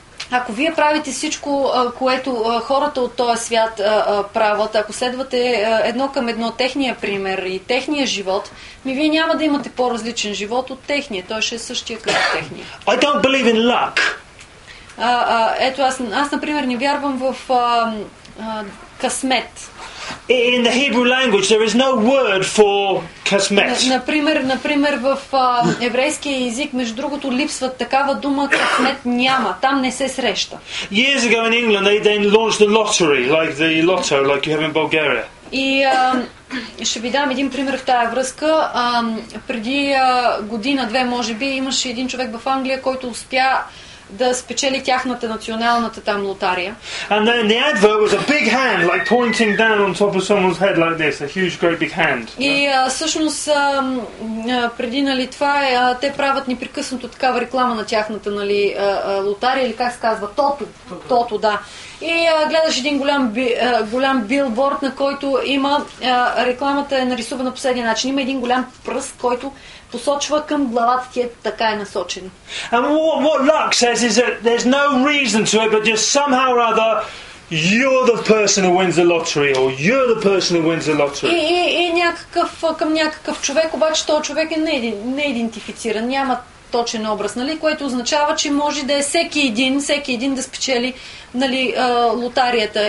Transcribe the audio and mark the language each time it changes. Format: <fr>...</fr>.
<bg>Ако вие правите всичко, което хората от този свят правят, ако следвате едно към едно техния пример и техния живот, ми вие няма да имате по-различен живот от техния. Той ще е същия като техния.</bg> <en>I don't believe in luck.</en> <bg>Ето аз например не вярвам в късмет.</bg> <en>In the Hebrew language there is no word for късмет.</en> <bg>Например в еврейския език, между другото, липсва такава дума, късмет няма. Там не се среща.</bg> <en>Years ago in England they then launched the lottery, like the lotto, like you have in Bulgaria.</en> <bg>И ще ви дам един пример в тая връзка. Преди година-две, може би, имаше един човек в Англия, който успя да спечели тяхната националната там лотария.</bg> <en>And then the advert was a big hand, like pointing down on top of someone's head like this, a huge great big hand.</en> <bg>И всъщност преди, нали, това е, те правят непрекъснато такава реклама на тяхната, нали, лотария, или как се казва, тото, да. И гледаш един голям билборд, на който има рекламата е нарисувана по следния начин. Има един голям пръст, който посочва към главата ти, е така е насочен.</bg> <en>And what luck says is that there's no reason to it, but just somehow or other you're the person who wins the lottery, or you're the person who wins the lottery.</en> <bg>И някакъв, към някакъв човек, обаче този човек е неидентифициран, няма точен образ, нали, което означава, че може да е всеки един да спечели, нали, лотарията.</bg>